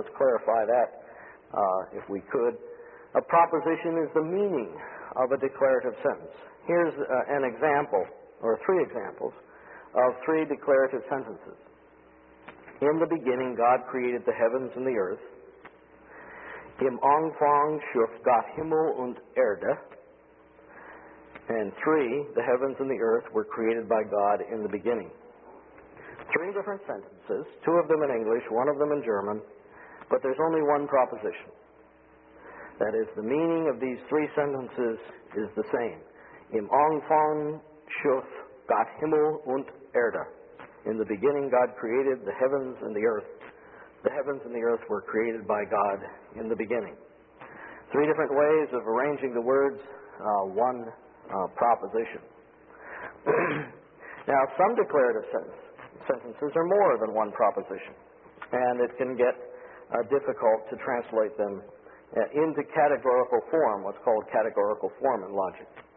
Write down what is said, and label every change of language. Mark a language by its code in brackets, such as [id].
[en] Let's clarify that, if we could. A proposition is the meaning of a declarative sentence. Here's an example. Or three examples of three declarative sentences. In the beginning, God created the heavens and the earth. [de] Im Anfang schuf Gott Himmel und Erde. [en] And three, the heavens and the earth were created by God in the beginning. Three different sentences, two of them in English, one of them in German, but there's only one proposition. That is, the meaning of these three sentences is the same. [de] Im Anfang schuf Gott Himmel und Erde. [en] In the beginning, God created the heavens and the earth. The heavens and the earth were created by God in the beginning. Three different ways of arranging the words, one proposition. Now, some declarative sentences are more than one proposition, and it can get difficult to translate them into categorical form, what's called categorical form in logic.